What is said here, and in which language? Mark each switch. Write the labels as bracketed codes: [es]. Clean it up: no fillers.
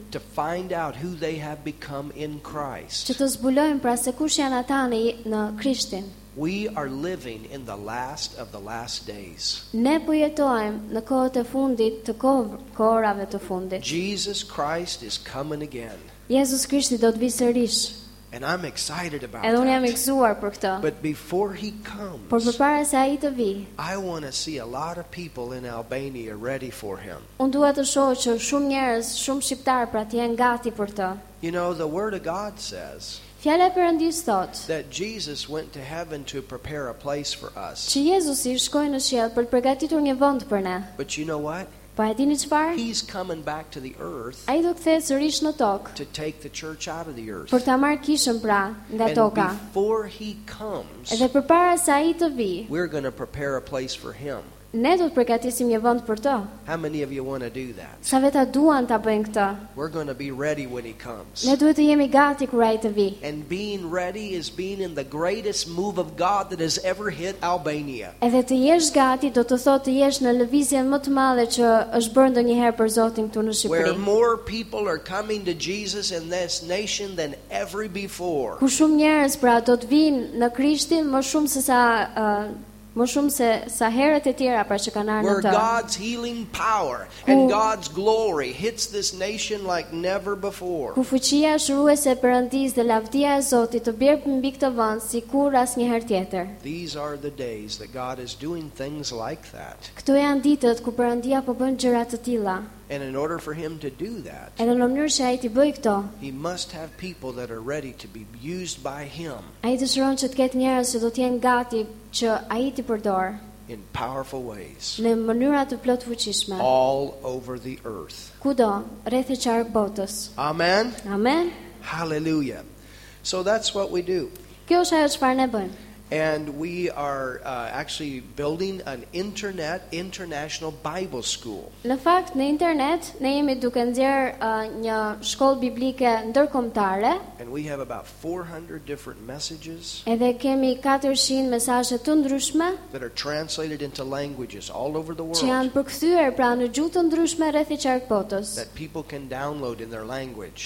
[en] To find out who they have become in Christ. [sq] Që të zbulojnë pra se kush janë ata në Krishtin. [en] We are living in the last of the last days. [sq] Ne po jetojmë në kohët e fundit të kohërave të fundit. [en] Jesus Christ is coming again. [sq] Jezus Krishti do të vijë sërish. [en] And I'm excited about [sq] that. Edhe unë jam I gëzuar për këtë. [en] But before he comes. [sq] Por përpara se ai të vijë. [en] I want to see a lot of people in Albania ready for him. [sq] Unë dua të shoh që shumë njerëz, shumë shqiptar pra janë gati për të. [en] You know the word of God says. [sq] Fjala e Perëndisë thot. [en] That Jesus went to heaven to prepare a place for us. [sq] Që Jezusi shkoi në qiell për të përgatitur një vend për ne. [en] But you know what? [sq] Po e dini çfarë? [en] He's coming back to the earth. [sq] Ai do të kthehet sërish në tokë. [en] To take the church out of the earth. [sq] Për ta marrë kishën pra nga toka. [en] And before he comes. [sq] Edhe përpara se ai të vi. [en] We're going to prepare a place for him. [sq] Ne do të përgatisim një vend për të. [en] How many of you want to do that? [sq] Sa veta duan ta bëjnë këtë? [en] We're going to be ready when he comes. [sq] Ne duhet të jemi gati kur ai të vi. [en] And being ready is being in the greatest move of God that has ever hit Albania. [sq] Edhe të jesh gati do të thotë të jesh në lëvizjen më të madhe që është bërë ndonjëherë për Zotin këtu në Shqipëri. [en] Where more people are coming to Jesus in this nation than ever before. [sq] Ku shumë njerëz pra do të vinë në Krishtin më shumë se sa më shumë se sa herët e tjera pra që kanë ardhur në të. [en] God's healing power and God's glory hits this nation like never before. [sq] Ku fuqia shëruese e Perëndisë dhe lavdia e Zotit të bjerë mbi këtë vend sikur asnjëherë tjetër. [en] These are the days that God is doing things like that. [sq] Këto janë ditët ku Perëndia po bën gjëra të tilla. [en] And in order for him to do that, [sq] edhe në mënyrë që ai të bëjë këto, [en] he must have people that are ready to be used by him. [sq] Ai dëshiron që të ketë njerëz që do të jenë gati që ai të përdor. [en] In powerful ways. [sq] Në mënyra të plot fuqishme. [en] All over the earth. [sq] Kudo, rreth e qark botës. [en] Amen. [sq] Amen. [en] Hallelujah. So that's what we do. [sq] Kjo është ajo çfarë ne bëjmë. [en] And we are actually building an international Bible school. [sq] Në fakt në internet ne jemi duke nxjerr një shkollë biblike ndërkombëtare. [en] And we have about 400 different messages. [sq] Edhe kemi 400 mesazhe të ndryshme. [en] That are translated into languages all over the world. [sq] Që janë përkthyer pra në gjuhë të ndryshme rreth e qark botës. [en] That people can download in their language.